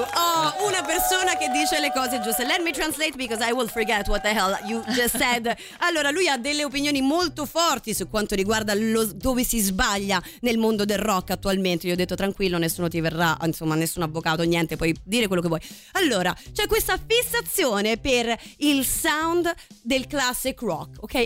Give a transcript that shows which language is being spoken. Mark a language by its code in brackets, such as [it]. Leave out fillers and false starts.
[it] Oh, una persona che dice le cose giuste. [en] Let me translate because I will forget what the hell you just said. [it] Allora, lui ha delle opinioni molto forti su quanto riguarda dove si sbaglia nel mondo del rock attualmente. Gli ho detto tranquillo, nessuno ti verrà, insomma, nessun avvocato, niente, puoi dire quello che vuoi. Allora, c'è questa fissazione per il sound del classic rock, ok?